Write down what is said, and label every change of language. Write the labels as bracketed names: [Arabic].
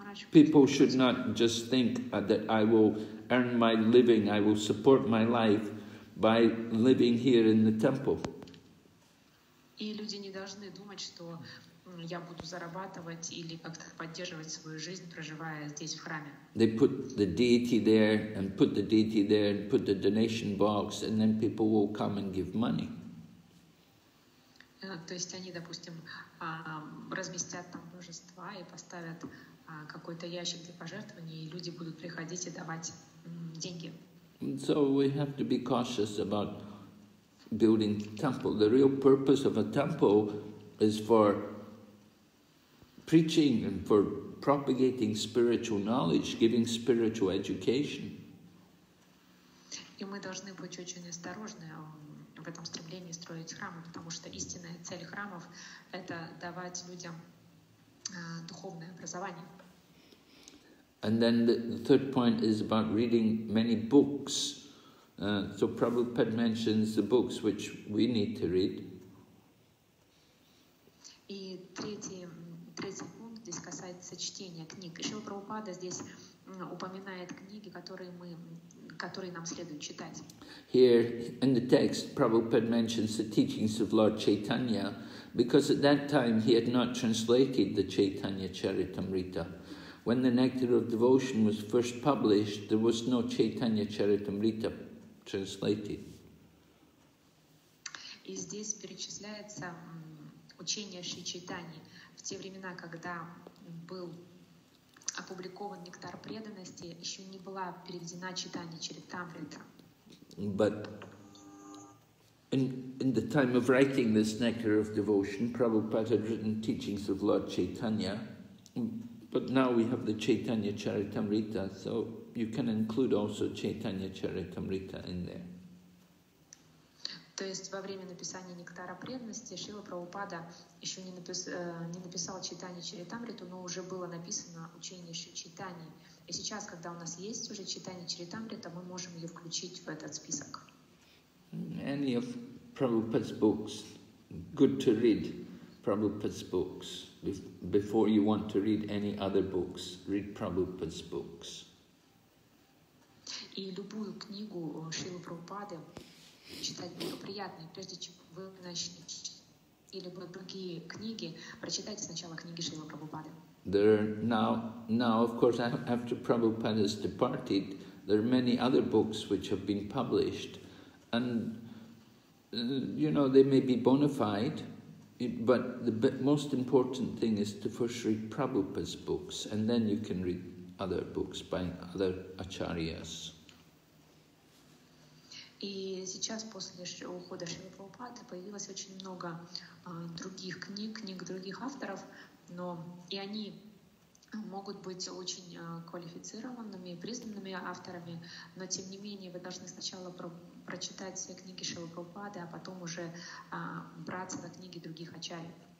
[English] People should not just think that I will earn my living, I will support my life by living here in the temple. [Russian] И люди не должны думать, что я буду зарабатывать или как-то поддерживать свою жизнь, проживая здесь в храме. [English] They put the deity there and put the deity there and put the donation box, and then people will come and give money. [Russian] То есть они, допустим, разместят там божества и поставят какой-то ящик для пожертвований, и люди будут приходить и давать деньги. [English] So we have to be cautious about building the temple. The real purpose of a temple is for preaching and for propagating spiritual knowledge, giving spiritual education. [Russian] И мы должны быть очень осторожны в этом стремлении строить храмы, потому что истинная цель храмов — это давать людям духовное образование. [English] And then the third point is about reading many books. So Prabhupada mentions the books which we need to read. [Russian] И третий пункт здесь касается чтения книг. Шрила Прабхупада здесь упоминает книги, которые нам следует читать. [English] Here in the text, Prabhupada mentions the teachings of Lord Chaitanya, because at that time he had not translated the Chaitanya Charitamrita. When the Nectar of Devotion was first published, there was no Chaitanya Charitamrita translated. [Russian] И здесь перечисляется учение Шри Чайтаньи. В те времена, когда был опубликован Нектар Преданности, еще не была переведена Чайтанья Чаритамрита. [English] But In the time of writing this Nectar of Devotion, Prabhupada had written teachings of Lord Chaitanya, but now we have the Chaitanya Charitamrita, so you can include also Chaitanya Charitamrita in there. [Russian] То есть во время написания Нектара преданности Шрила Прабхупада еще не написал Чайтанья Чаритамриту, но уже было написано учение Шри Чайтаньи. И сейчас, когда у нас есть уже Чайтанья Чаритамрита, мы можем ее включить в этот список. [English] Any of Prabhupada's books, good to read Prabhupada's books. Before you want to read any other books, read Prabhupada's books. [Russian] И любую книгу Шрила Прабхупады читать было приятно, прежде чем вы начнете или другие книги, прочитайте сначала книги Шрила Прабхупады. [English] There are now, of course, after Prabhupada has departed, there are many other books which have been published, and you know they may be bona fide, but the most important thing is to first read Prabhupada's books, and then you can read other books by other acharyas. [Russian] И сейчас, после ухода Шрилы Прабхупады, появилось очень много других книг других авторов, но и они могут быть очень квалифицированными, признанными авторами, но тем не менее вы должны сначала прочитать все книги Шрилы Прабхупады, а потом уже браться за книги других ачарьев.